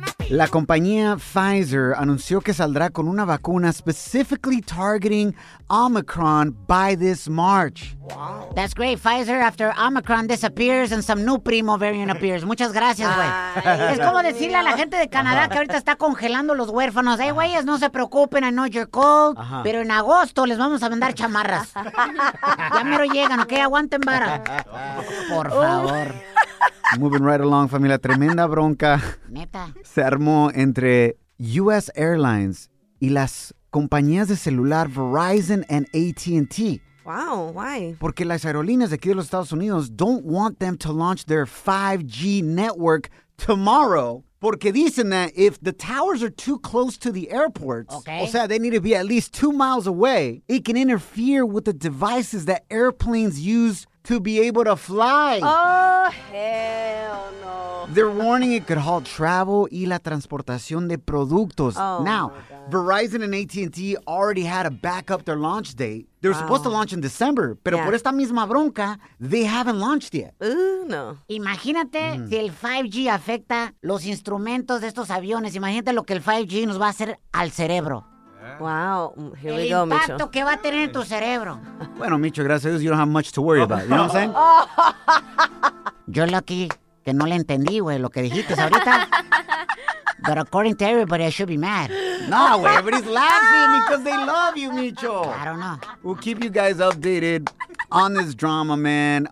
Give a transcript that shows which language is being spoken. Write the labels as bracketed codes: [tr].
[es] La compañía Pfizer anunció que saldrá con una vacuna [en] specifically targeting Omicron by this March. Wow. That's great, Pfizer, after Omicron disappears and some new primo variant appears. [es] Muchas gracias, güey. Es como decirle a la gente de Canadá que ahorita está congelando los huérfanos. Hey, güeyes, no se preocupen, [en] I know you're cold, [es] pero en agosto les vamos a mandar chamarras. Ya mero llegan, ¿ok? Aguanten vara. Por favor. [en] Moving right along, familia. [es] Tremenda bronca. Neta. Se armó entre U.S. Airlines y las compañías de celular Verizon and AT&T. [en] Wow, why? [es] Porque las aerolíneas de aquí de los Estados Unidos [en] don't want them to launch their 5G network tomorrow. [es] Porque dicen [en] that if the towers are too close to the airports, okay, [es] o sea, [en] they need to be at least 2 miles away, it can interfere with the devices that airplanes use to be able to fly. Oh, hell no. They're warning it could halt travel [es] y la transportación de productos. [en] Oh, now, Verizon and AT&T already had to back up their launch date. They were supposed to launch in December, [es] pero por esta misma bronca, [en] they haven't launched yet. No. [es] Imagínate si el 5G afecta los instrumentos de estos aviones. Imagínate lo que el 5G nos va a hacer al cerebro. [en] Here we go, [es] Micho. El impacto que va a tener en tu cerebro. Bueno, Micho, gracias a Dios, [en] you don't have much to worry about. You know what I'm saying? You're lucky [es] que no le entendí, güey, lo que dijiste ahorita. [en] But according to everybody, I should be mad. No, everybody's laughing because they love you, Micho. I don't know. We'll keep you guys updated on this drama, man.